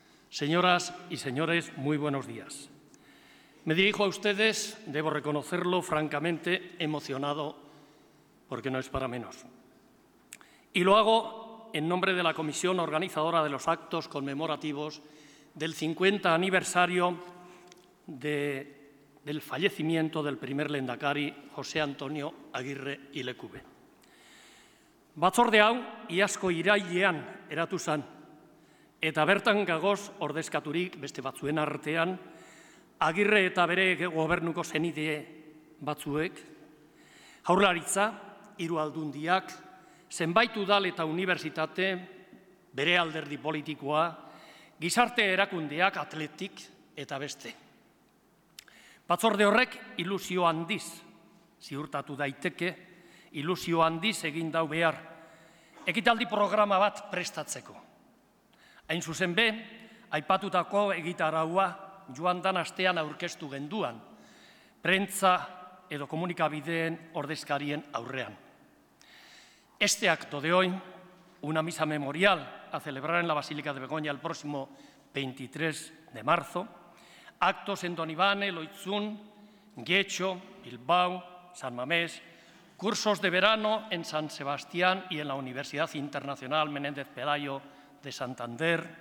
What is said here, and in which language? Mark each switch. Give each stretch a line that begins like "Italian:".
Spanish: Señoras y señores, muy buenos días. Me dirijo a ustedes, debo reconocerlo, francamente emocionado, porque no es para menos. Y lo hago en nombre de la Comisión Organizadora de los Actos Conmemorativos del 50 aniversario del fallecimiento del primer lehendakari, José Antonio Aguirre y Lecube.
Basque: Batzorde hau, iazko irailean eratu zan, eta bertan gagoz ordezkaturik beste batzuen artean, Agirre eta bere gobernuko zenide batzuek, Jaurlaritza, Hiru Aldundiak, zenbait udal eta unibertsitate, bere alderdi politikoa, gizarte erakundeak, Athletic eta beste. Batzorde horrek ilusio handiz ziurtatu daiteke, ilusio handiz egin dau behar, ekitaldi programa bat prestatzeko. Hain zuzen be, aipatutako egitaraua joan dan astean aurkeztu genduan, prentza edo komunikabideen ordezkarien aurrean.
Spanish: Este acto de hoy, una misa memorial a celebrar en la Basílica de Begoña el próximo 23 de marzo, actos en Don Ivane, Loitzun, Getxo, Bilbao, San Mamés, cursos de verano en San Sebastián y en la Universidad Internacional Menéndez Pelayo de Santander,